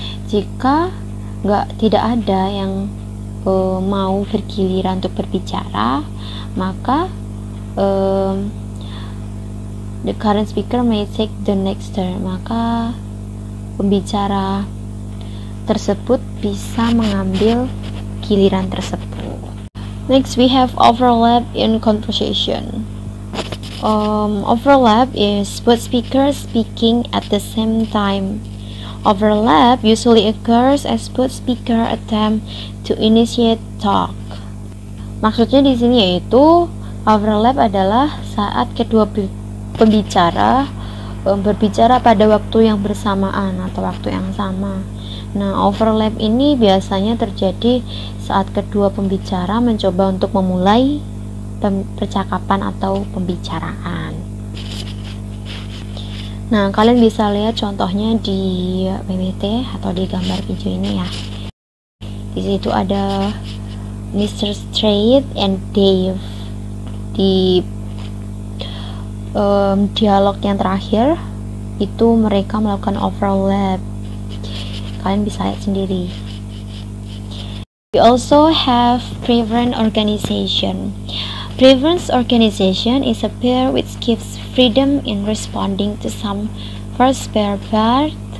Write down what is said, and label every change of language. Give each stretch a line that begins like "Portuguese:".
Indonesian: Jika tidak ada yang mau bergiliran untuk berbicara, maka
English: the current speaker may take the next turn.
Indonesian: Maka pembicara tersebut bisa mengambil giliran tersebut.
English: Next, we have overlap in conversation. Overlap is both speakers speaking at the same time. Overlap usually occurs as both speaker attempt to initiate talk.
Indonesian: Maksudnya di sini yaitu overlap adalah saat kedua pembicara berbicara pada waktu yang bersamaan atau waktu yang sama. Nah, overlap ini biasanya terjadi saat kedua pembicara mencoba untuk memulai percakapan atau pembicaraan. Nah, kalian bisa lihat contohnya di PPT atau di gambar video ini ya. Di situ ada Mr. Straight and Dave. Di dialog yang terakhir itu mereka melakukan overlap. Kalian bisa lihat sendiri.
English: We also have preference organization. Preference organization is a pair which gives freedom in responding to some first pair, but